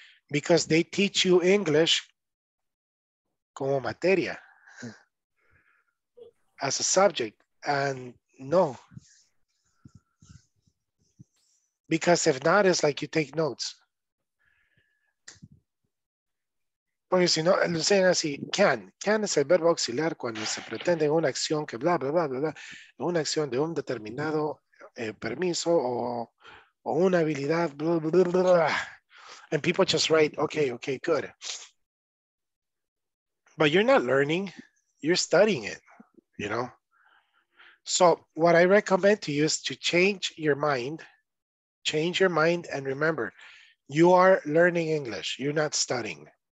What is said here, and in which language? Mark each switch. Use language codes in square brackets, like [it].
[en] Because they teach you English [es] como materia, [en] as a subject, and no. Because if not, it's like you take notes. [es] Porque si no, lo enseñan así, can. Can es el verbo auxiliar cuando se pretende una acción que bla, bla, bla, bla, bla, una acción de un determinado permiso o una habilidad, bla, bla, bla, bla. [en] And people just write, okay, good. But you're not learning, you're studying it, you know? So what I recommend to you is to change your mind and remember, you are learning English, you're not studying.